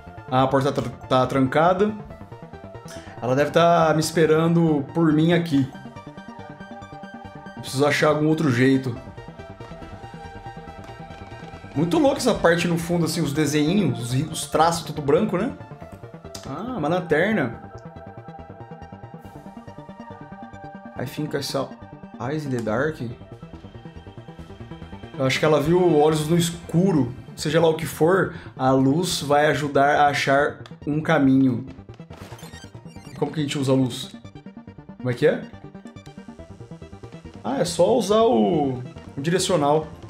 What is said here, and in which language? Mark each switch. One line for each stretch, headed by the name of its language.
Portuguese: Ah, a porta tá trancada. Ela deve estar me esperando por mim aqui. Preciso achar algum outro jeito. Muito louco essa parte no fundo, assim, os desenhinhos, os traços tudo branco, né? Ah, uma lanterna.
English: I think I saw Eyes in the Dark.
Portuguese: Eu acho que ela viu olhos no escuro. Seja lá o que for, a luz vai ajudar a achar um caminho. Como que a gente usa a luz? Como é que é? Ah, é só usar o direcional.